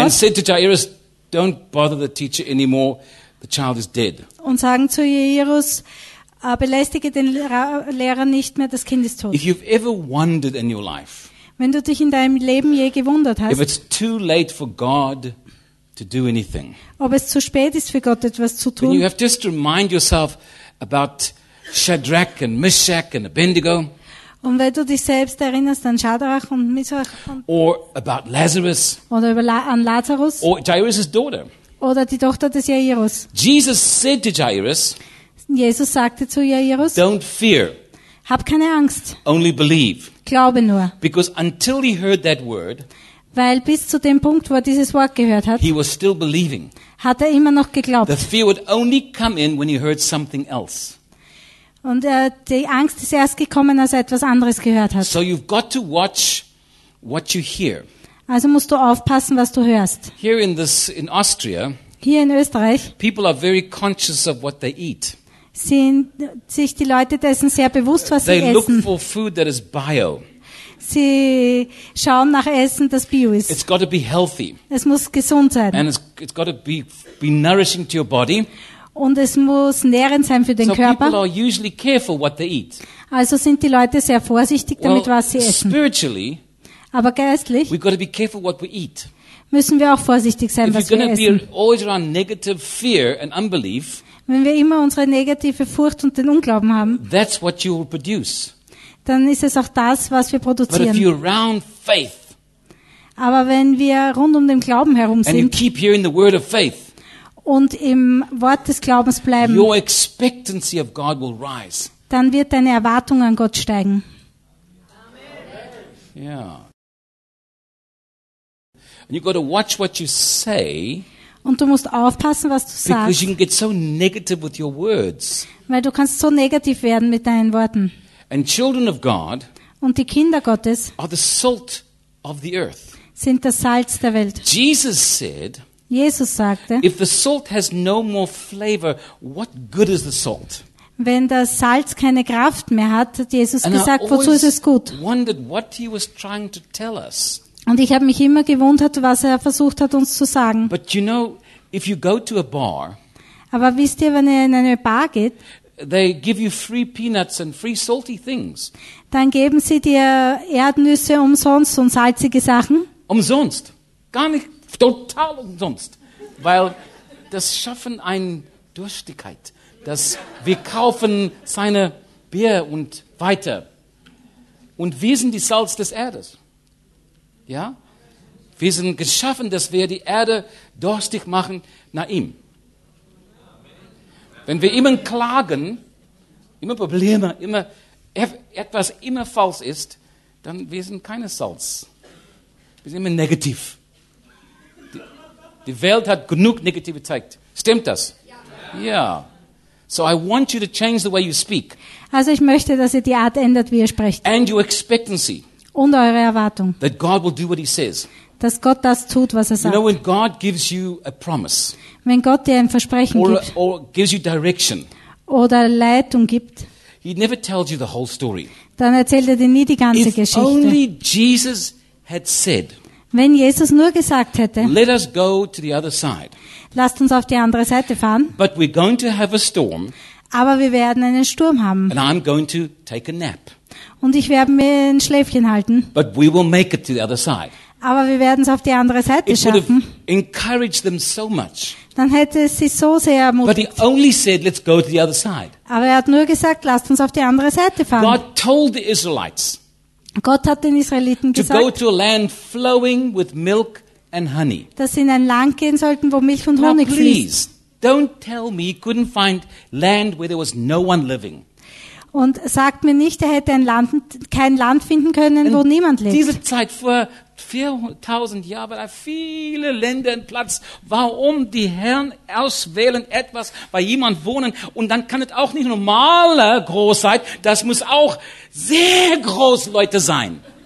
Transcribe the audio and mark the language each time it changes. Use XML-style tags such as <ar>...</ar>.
<en>and said to Jairus, don't bother the teacher anymore. The child is dead.</en> <de>Und sagen zu Jairus, belästige den Lehrer nicht mehr, das Kind ist tot.</de> <en>If you've ever wondered in your life,</en> <de>wenn du dich in deinem Leben je gewundert hast,</de> <en>if it's too late for God to do anything,</en> <de>ob es zu spät ist für Gott etwas zu tun,</de> <en>you have just to remind yourself about Shadrach and Meshach and Abednego,</en> <de>und wenn du dich selbst erinnerst an Shadrach und Meshach,</de> <en>or about Lazarus,</en> <de>oder an Lazarus,</de> <en>or Jairus' daughter,</en> <de>oder die Tochter des Jairus.</de> <en>Jesus said to Jairus,</en> <de>Jesus sagte zu Jairus,</de> <en>don't fear,</en> <de>hab keine Angst,</de> <en>only believe,</en> <de>glaube nur.</de> <en>Because until he heard that word,</en> <de>weil bis zu dem Punkt, wo er dieses Wort gehört hat,</de> <en>he was still believing,</en> <de>hat er immer noch geglaubt.</de> <en>The fear would only come in when he heard something else.</en> <de>Und die Angst ist erst gekommen, als er etwas anderes gehört hat.</de> <en>So you've got to watch what you hear.</en> <de>Also musst du aufpassen, was du hörst.</de> <en>Here in Austria,</en> <de>hier in Österreich,</de> <en>people are very conscious of what they eat.</en> <de>Sind sich die Leute dessen sehr bewusst, was</de> <en>they</en> <de>sie essen.</de> <en>Look for food that is bio.</en> <de>Sie schauen nach Essen, das bio ist.</de> <en>It's got to be healthy.</en> <de>Es muss gesund sein.</de> <en>And it's got to be nourishing to your body.</en> <de>Und es muss nährend sein für den</de> <en>so</en> <de>Körper.</de> <en>People are usually careful what they eat.</en> <de>Also sind die Leute sehr vorsichtig damit,</de> <en>well,</en> <de>was sie essen.</de> <en>Spiritually,</en> <de>aber geistlich,</de> <en>we've got to be careful what we eat.</en> <de>Müssen wir auch vorsichtig sein,</de> <en>if</en> <de>was wir essen.</de> <en>If you're going to be always around negative fear and unbelief,</en> <de>wenn wir immer unsere negative Furcht und den Unglauben haben,</de> <en>that's what you will produce.</en> <de>Dann ist es auch das, was wir produzieren.</de> <en>But if you're around faith,</en> <de>aber wenn wir rund um den Glauben herum</de> <en>and</en> <de>sind</de> <en>you keep hearing the word of faith,</en> <de>und im Wort des Glaubens bleiben,</de> <en>your expectancy of God will rise.</en> <de>Dann wird deine Erwartung an Gott steigen.</de> <en>Amen. Yeah. And you've got to watch what you say.</en> <de>Und du musst aufpassen, was du sagst.</de> <en>Because you can get so negative with your words.</en> <de>Weil du kannst so negativ werden mit deinen Worten.</de> <en>And children of God,</en> <de>und die Kinder Gottes,</de> <en>are the salt of the earth.</en> <de>Sind das Salz der Welt.</de> <en>Jesus said,</en> <de>Jesus sagte,</de> <en>if the salt has no more flavor, what good is the salt?</en> <de>Wenn das Salz keine Kraft mehr hat, hat Jesus</de> <en>and</en> <de>gesagt, wozu ist es gut?</de> <en>Wondered what he was trying to tell us.</en> <de>Und ich habe mich immer gewundert, was er versucht hat, uns zu sagen.</de> <en>But you know, if you go to a bar,</en> <de>aber wisst ihr, wenn ihr in eine Bar geht,</de> <en>they give you free peanuts and free salty things.</en> <de>Dann geben sie dir Erdnüsse umsonst und salzige Sachen. Umsonst. Gar nicht. Total umsonst. Weil das schaffen eine Durstigkeit. Dass wir kaufen seine Bier und weiter. Und wir sind die Salz des Erdes. Ja, wir sind geschaffen, dass wir die Erde durstig machen nach ihm. Wenn wir immer klagen, immer Probleme, immer etwas immer falsch ist, dann wir sind keine Salz. Wir sind immer negativ. Die Welt hat genug Negativität. Stimmt das? Ja. Ja.</de> <en>So I want you to change the way you speak.</en> <de>Also ich möchte, dass ihr die Art ändert, wie ihr sprecht.</de> <en>And your expectancy.</en> <de>Und eure Erwartung.</de> <en>That God will do what he says.</en> <de>Dass Gott das tut, was er sagt.</de> <en>You know, when God gives you a promise,</en> <de>wenn Gott dir ein Versprechen gibt.</de> <en>Or gives you direction,</en> <de>oder Leitung gibt.</de> <en>He never tells you the whole story.</en> <de>Dann erzählt er dir nie die ganze</de> <en>If</en> <de>Geschichte.</de> <en>Only Jesus had said,</en> <de>wenn Jesus nur gesagt hätte.</de> <en>Let us go to the other side,</en> <de>lasst uns auf die andere Seite fahren.</de> <en>But we're going to have a storm,</en> <de>aber wir werden einen Sturm haben.</de> <en>And I'm going to take a nap.</en> <de>Und ich werde mir ein Schläfchen halten.</de> <en>But we will make it to the other side.</en> <de>Aber wir werden es auf die andere Seite</de> <en>it</en> <de>schaffen.</de> <en>Would have encouraged them so much.</en> <de>Dann hätte es sie so sehr ermutigt.</de> <en>But he only said, let's go to the other side.</en> <de>Aber er hat nur gesagt, lasst uns auf die andere Seite fahren.</de> <en>God told the Israelites,</en> <de>Gott hat den Israeliten gesagt,</de> <en>to go to a land flowing with milk and honey.</en> <de>Dass sie in ein Land gehen sollten, wo Milch und Honig</de> <en>now, please,</en> <de>fließt.</de> <en>Don't tell me you couldn't find land where there was no one living.</en> <de>Und sagt mir nicht, er hätte ein Land, kein Land finden können, wo niemand lebt. Diese Zeit vor 4000 Jahren war da viele Länder in Platz. Warum die Herren auswählen etwas, bei jemand wohnen? Und dann kann es auch nicht normale Großheit, das muss auch sehr groß Leute sein.</de>